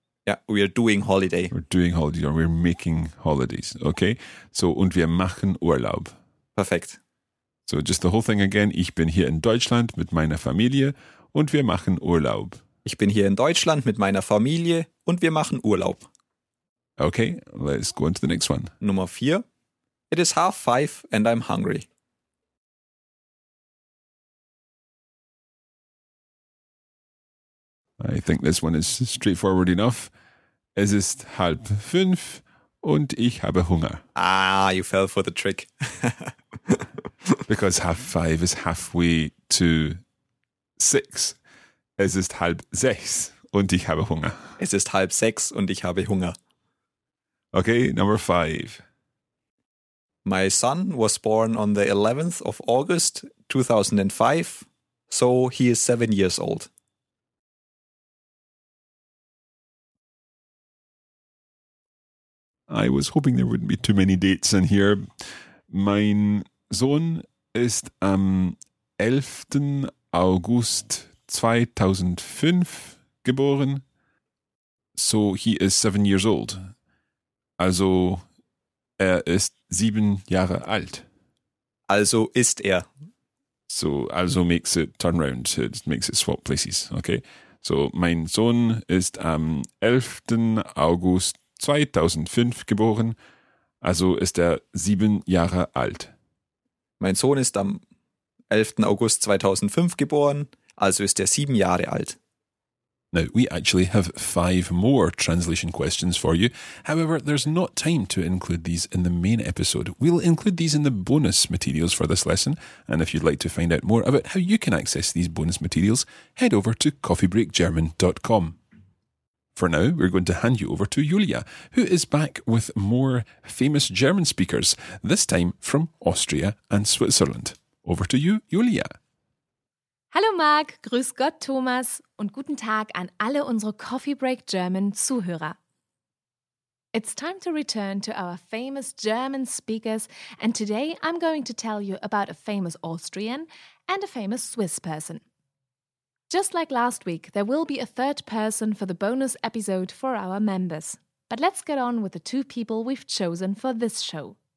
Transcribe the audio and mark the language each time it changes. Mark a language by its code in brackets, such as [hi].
[en] Yeah, we are doing holiday. We're doing holiday or we're making holidays, okay? [de] So, und wir machen Urlaub. Perfekt. [en] So, just the whole thing again. [de] Ich bin hier in Deutschland mit meiner Familie und wir machen Urlaub. Ich bin hier in Deutschland mit meiner Familie und wir machen Urlaub. [en] Okay, let's go into the next one. Nummer 4. It is 5:30 and I'm hungry. I think this one is straightforward enough. [de] Es ist 4:30 und ich habe Hunger. [en] Ah, you fell for the trick. Because 5:30 is halfway to 6. [de] Es ist 6:30 und ich habe Hunger. Es ist 6:30 und ich habe Hunger. [en] Okay, number 5. My son was born on the 11th of August 2005, so he is 7 years old. I was hoping there wouldn't be too many dates in here. [de] Mein Sohn ist am 11. August 2005 geboren. [en] So he is 7 years old. [de] Also er ist 7 Jahre alt. Also ist er. [en] So also makes it turn around. It makes it swap places. Okay. So [de] mein Sohn ist am 11. August 2005 geboren, also ist er 7 Jahre alt. Mein Sohn ist am 11. August 2005 geboren, also ist er 7 Jahre alt. [en] Now, we actually have 5 more translation questions for you. However, there's not time to include these in the main episode. We'll include these in the bonus materials for this lesson. And if you'd like to find out more about how you can access these bonus materials, head over to coffeebreakgerman.com. For now, we're going to hand you over to Julia, who is back with more famous German speakers, this time from Austria and Switzerland. Over to you, Julia. [de] Hallo Marc, grüß Gott Thomas und guten Tag an alle unsere Coffee Break German Zuhörer. [en] It's time to return to our famous German speakers, and today I'm going to tell you about a famous Austrian and a famous Swiss person. Just like last week, there will be a third person for the bonus episode for our members. But let's get on with the two people we've chosen for this show.